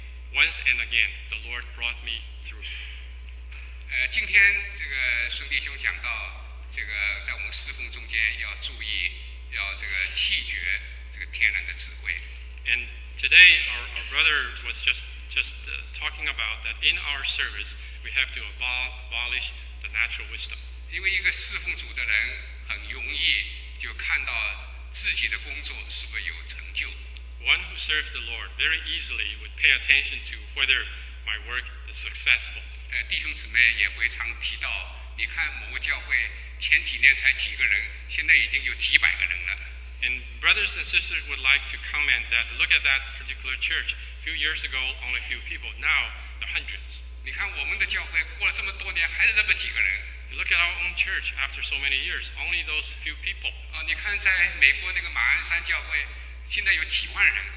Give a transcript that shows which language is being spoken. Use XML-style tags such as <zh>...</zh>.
<en>Once and again, the Lord brought me through.</en> <zh>今天这个孙弟兄讲到这个在我们侍奉中间要注意，要这个弃绝这个天然的智慧。</zh> <en>And today, our brother was just talking about that in our service, we have to abolish the natural wisdom.</en> <zh>因为一个侍奉主的人很容易就看到自己的工作是否有成就。</zh> <en>One who serves the Lord very easily would pay attention to whether my work is successful.</en> <zh>弟兄姊妹也会常提到，你看某个教会前几年才几个人，现在已经有几百个人了。</zh> <en>And brothers and sisters would like to comment that look at that particular church. A few years ago, only a few people. Now, there are hundreds.</en> <zh>你看我们的教会过了这么多年还是这么几个人。</zh> <en>You look at our own church after so many years. Only those few people.</en> <zh>你看在美国那个马鞍山教会现在有几万人。</zh>